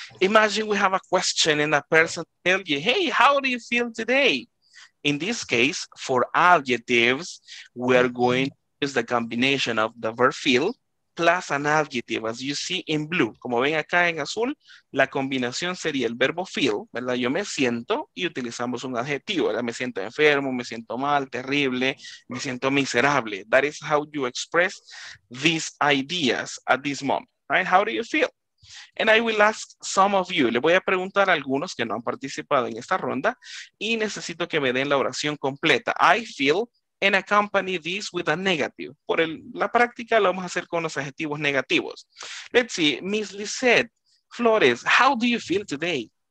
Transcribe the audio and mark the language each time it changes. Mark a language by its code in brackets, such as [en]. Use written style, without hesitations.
[en] Imagine we have a question and a person tell you, hey, how do you feel today? In this case, for adjectives, we are going to use the combination of the verb feel plus an adjective, as you see in blue. [es] Como ven acá en azul, la combinación sería el verbo feel, ¿verdad? Yo me siento y utilizamos un adjetivo, ¿verdad? Me siento enfermo, me siento mal, terrible, me siento miserable. [en] That is how you express these ideas at this moment, right? How do you feel? And I will ask some of you, [es] le voy a preguntar a algunos que no han participado en esta ronda y necesito que me den la oración completa. [en] I feel, and accompany this with a negative. [es] Por el, la práctica lo vamos a hacer con los adjetivos negativos. [en] Let's see, Miss Lizette Flores, how do you feel today?